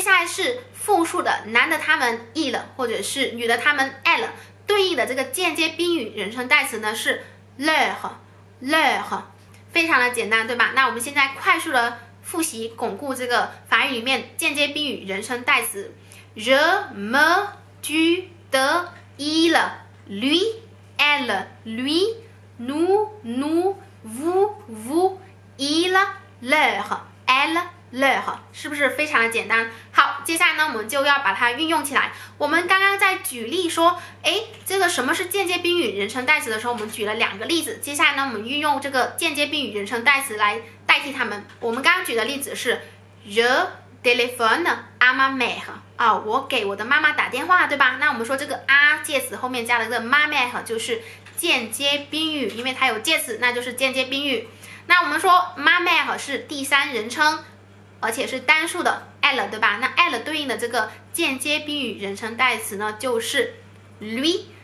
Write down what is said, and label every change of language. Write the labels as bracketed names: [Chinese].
[Chinese] 接下来是复数的，男的他们 il 了，或者是女的他们 elle 对应的这个间接宾语人称代词呢是 leur，非常的简单，对吧？那我们现在快速的复习巩固这个法语里面间接宾语人称代词： [French] je、me、tu、de。 il, lui, elle, lui, nous, vous, vous, il, leur, elle, leur， [Chinese] 是不是非常的简单？好，接下来呢，我们就要把它运用起来。我们刚刚在举例说，哎，这个什么是间接宾语人称代词的时候，我们举了两个例子。接下来呢，我们运用这个间接宾语人称代词来代替它们。我们刚刚举的例子是 [French] je téléphone à ma mère。 [Chinese] 啊，我给我的妈妈打电话，对吧？那我们说这个啊介词后面加了个 [French] ma mère， [Chinese] 就是间接宾语，因为它有介词，那就是间接宾语。那我们说 [French] ma mère [Chinese] 是第三人称，而且是单数的 elle 对吧？那 elle 对应的这个间接宾语人称代词呢，就是 lui。